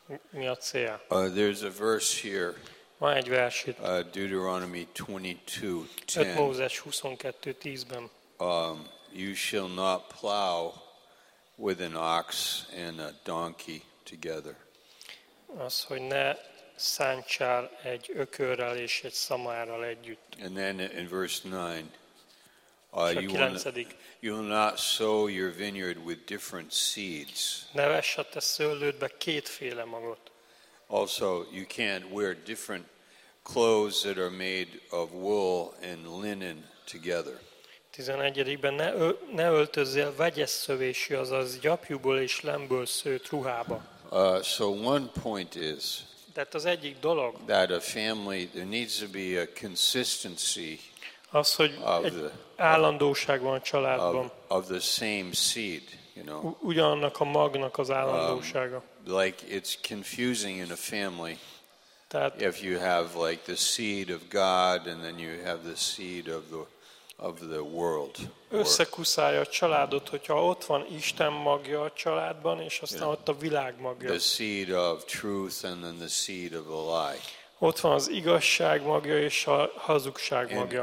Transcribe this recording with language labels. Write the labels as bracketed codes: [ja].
[hu] Mi a cél? [en] There's a verse here. [hu] Van egy vers itt. [en] Deuteronomy 22:10. [hu] Mózes 22:10-ben. [en] You shall not plow with an ox and a donkey together. [hu] Az, hogy ne szántsál egy ökörrel és egy szamárral együtt. [en] And then in verse 9, you will not sow your vineyard with different seeds. [hu] Ne vess a te szőlődbe kétféle magot. [en] Also, you can't wear different clothes that are made of wool and linen together. [hu] 11. Ne öltözzél vegyes szövésű, azaz gyapjúból és lemből szőtt ruhába. [en] So one point is, [hu] tehát az egyik dolog, [en] that a family, there needs to be a consistency [hu] az, hogy of egy állandóság van a családban. [en] Of the same seed, you know. [hu] Ugyanannak a magnak az állandósága. [en] Like it's confusing in a family. Tehát if you have like the seed of God and then you have the seed of the world. [hu] Összekuszálja a családot, hogyha ott van Isten magja a családban, és aztán ott a világ magja. [en] The seed of truth and then the seed of a lie. [hu] Ott van az igazság magja és a hazugság magja.